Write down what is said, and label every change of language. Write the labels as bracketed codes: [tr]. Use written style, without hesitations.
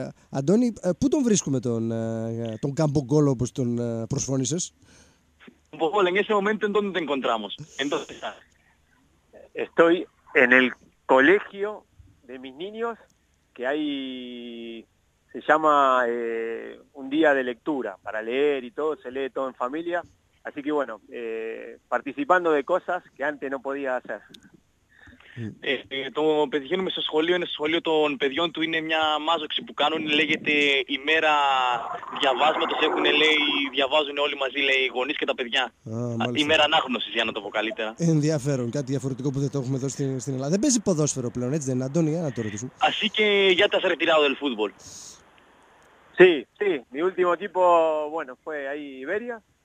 [el] Αντώνη, πού τον βρίσκουμε τον Καμπογόλ όπως τον προσφώνησες? [es] Καμπογόλ, en ese momento en donde te encontramos. Entonces, estoy en el colegio de mis niños que hay, se llama un día de lectura para leer y todo, se lee todo en familia. Así que bueno, participando de cosas que antes no podía hacer. [el] Το πετυχαίνουμε στο σχολείο, είναι στο σχολείο των παιδιών του, είναι μια μάζοξη που κάνουν, λέγεται ημέρα διαβάσματος, έχουν λέει, διαβάζουν όλοι μαζί, λέει, οι γονείς και τα παιδιά. Ημέρα ανάγνωσης, για να το πω καλύτερα. Ενδιαφέρον, κάτι διαφορετικό που δεν το έχουμε εδώ στην Ελλάδα. Δεν παίζει ποδόσφαιρο πλέον, έτσι δεν είναι, Αντώνη, για να το ρωτήσουμε. [es] Así que ya te has retirado del fútbol. Sí, sí, mi último equipo, bueno, fue ahí Iberia.